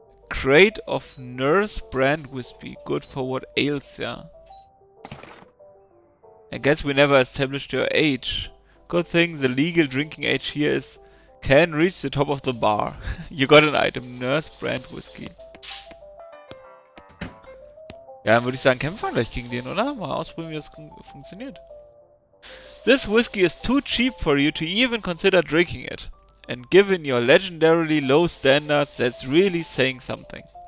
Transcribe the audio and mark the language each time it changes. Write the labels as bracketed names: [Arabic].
[English] Crate of Nurse Brand Whiskey. Good for what ails ya. I guess we never established your age. Good thing the legal drinking age here is can reach the top of the bar. You got an item. Nurse Brand Whiskey. [German] Ja, dann würde ich sagen, kämpfen wir gleich gegen den, oder? Mal ausprobieren, wie das funktioniert. [English] This whiskey is too cheap for you to even consider drinking it. And given your legendarily low standards, that's really saying something.